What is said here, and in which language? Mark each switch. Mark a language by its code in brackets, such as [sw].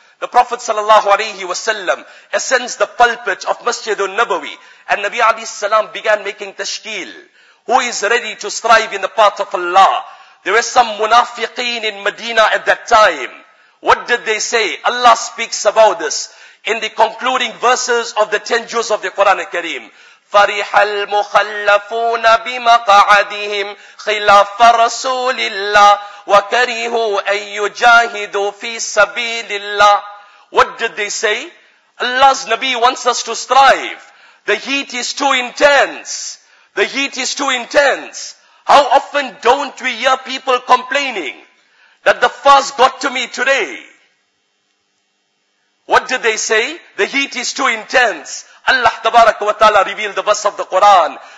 [en] The Prophet sallallahu alayhi wa sallam ascends the pulpit of Masjid al-Nabawi, and Nabi alayhi salam began making tashkil. Who is ready to strive in the path of Allah?" There were some munafiqeen in Medina at that time. What did they say? Allah speaks about this in the concluding verses of the 10 juz of the Quran al-Kareem. [ar] فَرِحَ الْمُخَلَّفُونَ بِمَقَعَدِهِمْ خِلَافَ رَسُولِ اللَّهِ وَكَرِهُوا أَن يُجَاهِدُوا فِي سَبِيلِ اللَّهِ [en] What did they say? Allah's Nabi wants us to strive. The heat is too intense. The heat is too intense. How often don't we hear people complaining that the fast got to me today? What did they say? The heat is too intense. Allah tabarak wa ta'ala revealed the verse of the Quran.